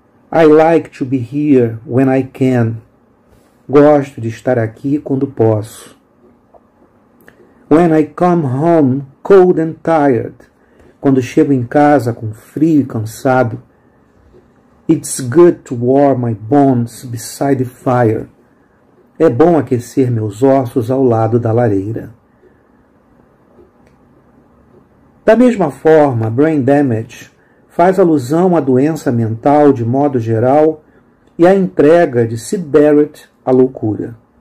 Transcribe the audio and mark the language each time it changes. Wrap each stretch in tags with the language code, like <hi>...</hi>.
<en>I like to be here when I can.</en> <pt>Gosto de estar aqui quando posso.</pt> <en>When I come home cold and tired.</en> <pt>Quando chego em casa com frio e cansado.</pt> <en>It's good to warm my bones beside the fire.</en> <pt>É bom aquecer meus ossos ao lado da lareira. Da mesma forma, brain damage faz alusão à doença mental de modo geral e à entrega de Sid Barrett à loucura.</pt>